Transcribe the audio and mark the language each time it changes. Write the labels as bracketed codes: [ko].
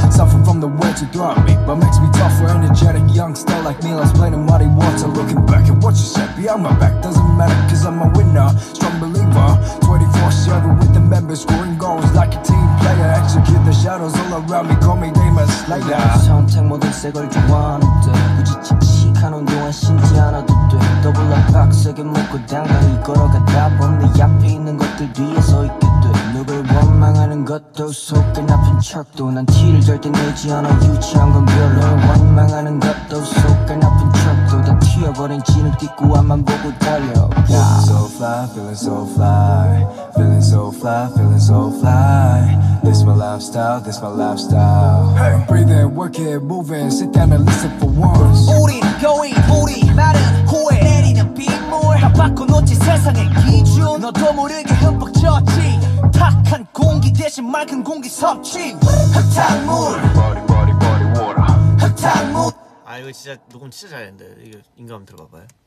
[en] Suffer from the words you throw at me, but makes me tougher, energetic, young, still like me. Let's play the muddy water, looking back at what you said behind my back. Doesn't matter cause I'm a winner, strong believer, 24-7 with the members scoring goals like a team player. Execute the shadows all around me, call me Demon Slayer. [ko] 선택 모든 새 걸 좋아하는 듯 굳이 칙칙한 운동은 신지 않아도 돼. 더블럭 박스에 묶고 당당히 걸어가다 보면 내 앞에 있는 것들 뒤에 서 있게 돼. 누굴 원망하는 것도 속된 아픈 척도 난 티를 절대 내지 않아. 유치한 건 별로. 원망하는 것도 속된 아픈 척도 다 튀어버린 진흙 띠고 앞만 보고 달려. [en] So fly, feeling so fly, feeling so fly, feeling so fly. This my lifestyle, this my lifestyle. Hey, I'm breathing, working, moving, sit down and listen for once. [ko] 우리 [en] going, [ko] 우리 말은 후회. 내리는 빗물 다 바꿔놓지 세상의 기준. 너도 모르게 흠뻑 젖지. 탁한 공기 대신 맑은 공기 섭취. 흙탕물. [en] Body, body, body, water. [ko] 흙탕물. 아 이거 진짜 녹음 진짜 잘했는데 이거 인감 들어봐봐요.